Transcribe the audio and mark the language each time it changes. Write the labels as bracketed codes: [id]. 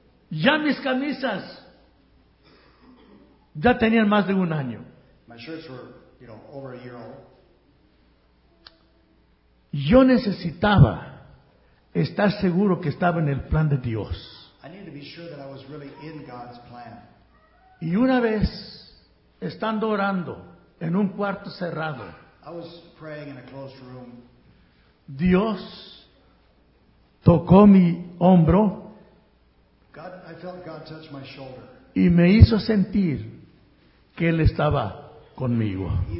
[es] Ya mis camisas ya tenían más de un año. [en] My shirts were, you know, over a year old. [es] Yo necesitaba estar seguro que estaba en el plan de Dios. [en] I needed to be sure that I was really in God's plan. [es] Y una vez, estando orando en un cuarto cerrado, [en] I was praying in a closed room. [es] Dios tocó mi hombro. [en] God, I felt God touch my shoulder. [es] Y me hizo sentir que Él estaba conmigo.